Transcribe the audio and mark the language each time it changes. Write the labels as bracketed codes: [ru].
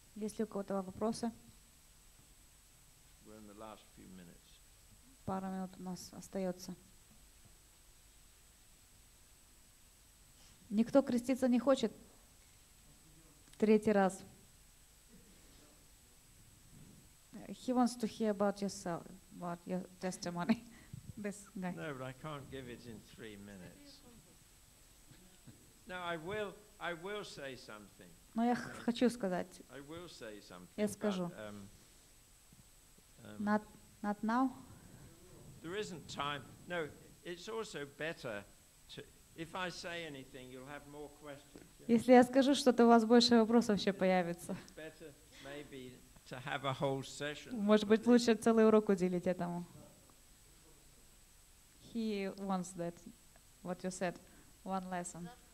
[ru] Есть ли у кого-то вопросы? [en] We're in the last few minutes. [ru] Пару минут у нас остается. Никто креститься не хочет? Третий раз. [en] He wants to hear about yourself, about your testimony. This guy. No, but I can't give it in 3 minutes. Now I will say something. [ru] Но я хочу сказать. [en] I will say something. [ru] Я скажу. [en] Not now. There isn't time. No, it's also better to. If I say anything, you'll have more questions. [ru] Если я скажу что-то, у вас больше вопросов вообще появится. [en] Better maybe. To have a whole session. [ru] Может быть, лучше целый урок уделить этому. [en] He wants that, what you said, one lesson.